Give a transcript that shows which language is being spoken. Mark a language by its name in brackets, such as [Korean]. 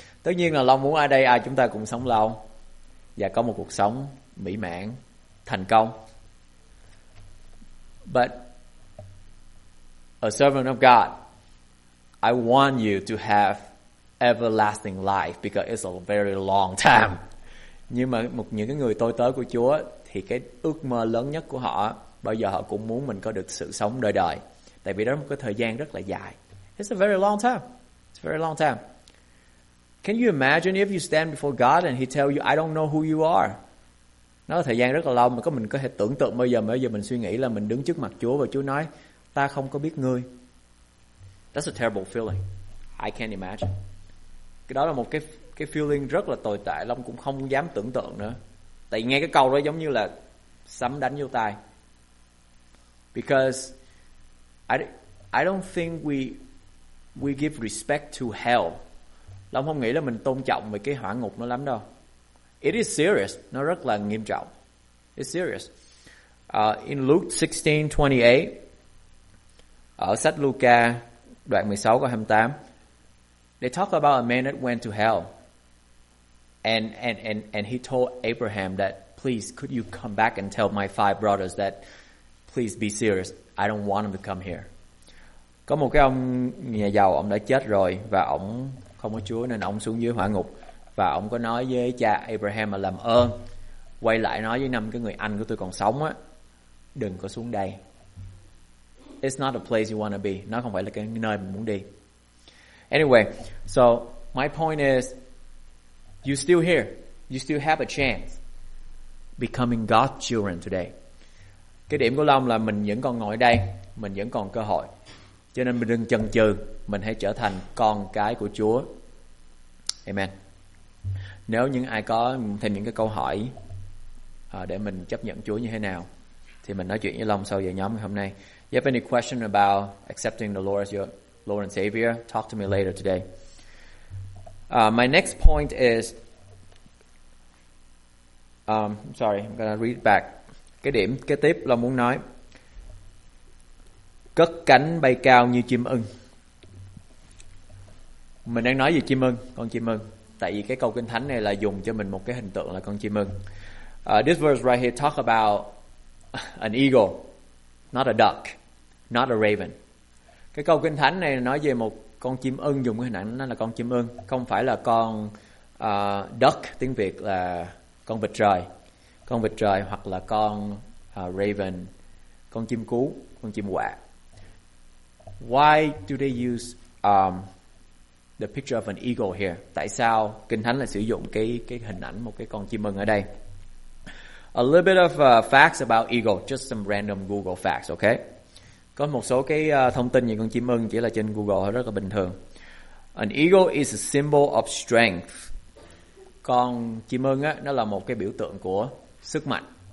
[Vietnamese] Tất nhiên là Long muốn ở đây ai chúng ta cùng sống lâu và có một cuộc sống mỹ mãn, thành công. [English] But a servant of God, I want you to have everlasting life because it's a very long time. [Vietnamese] Nhưng mà một những cái người tôi tớ của Chúa thì cái ước mơ lớn nhất của họ bao giờ họ cũng muốn mình có được sự sống đời đời. Tại vì đó là một cái thời gian rất là dài. [English] It's a very long time. It's a very long time. Can you imagine if you stand before God and He tell you, "I don't know who you are"? [Vietnamese] Nó là thời gian rất là lâu mà có mình có thể tưởng tượng bây giờ mình suy nghĩ là mình đứng trước mặt Chúa và Chúa nói, "Ta không có biết ngươi." [English] That's a terrible feeling. I can't imagine. [Vietnamese] Cái đó là một cái feeling rất là tồi tệ. Long cũng không dám tưởng tượng nữa. Tại nghe cái câu đó giống như là sấm đánh vô tai. [English] Because I don't think we give respect to hell. [Vietnamese] Long không nghĩ là mình tôn trọng về cái hỏa ngục nó lắm đâu. [English] It is serious. [Vietnamese] Nó rất là nghiêm trọng. [English] It's serious. In Luke 16:28, [Vietnamese] ở sách Luca đoạn 16 câu 28, [English] they talk about a man that went to hell. And he told Abraham that, please, could you come back and tell my five brothers that, please be serious, I don't want them to come here. [Vietnamese] Có một cái ông nhà giàu, ông đã chết rồi và ông không có Chúa nên ông xuống dưới hỏa ngục. Và ông có nói với cha Abraham là làm ơn, quay lại nói với năm cái người anh của tôi còn sống á, đừng có xuống đây. [English] It's not a place you want to be. [Vietnamese] Nó không phải là cái nơi mình muốn đi. [English] Anyway, so my point is, you're still here. You still have a chance becoming God's children today. [Vietnamese] Cái điểm của Long là mình vẫn còn ngồi đây, mình vẫn còn cơ hội. Cho nên mình đừng chần chừ, mình hãy trở thành con cái của Chúa. Amen. Nếu những ai có thêm những cái câu hỏi để mình chấp nhận Chúa như thế nào, thì mình nói chuyện với Long sau giờ nhóm ngày hôm nay. [English] If you have any question about accepting the Lord as your Lord and Savior, talk to me later today. My next point is, sorry, I'm gonna read back. [Vietnamese] Cái điểm kế tiếp Long muốn nói, cất cánh bay cao như chim ưng. Mình đang nói về chim ưng, con chim ưng. Tại vì cái câu kinh thánh này là dùng cho mình một cái hình tượng là con chim ưng. [English] This verse right here talk about an eagle, not a duck, not a raven. [Vietnamese] Cái câu kinh thánh này nói về một con chim ưng, dùng cái hình ảnh nó là con chim ưng, không phải là con duck, tiếng Việt là con vịt trời. Con vịt trời hoặc là con raven, con chim cú, con chim quạ. [English] Why do they use the picture of an eagle here? [Vietnamese] Tại sao kinh thánh lại sử dụng cái hình ảnh một cái con chim ưng ở đây? [English] A little bit of facts about eagle, just some random Google facts, okay? [Vietnamese] Có một số cái thông tin về con chim ưng chỉ là trên Google rất là bình thường. [English] An eagle is a symbol of strength. [Vietnamese] Con chim ưng á, nó là một cái biểu tượng của sức mạnh.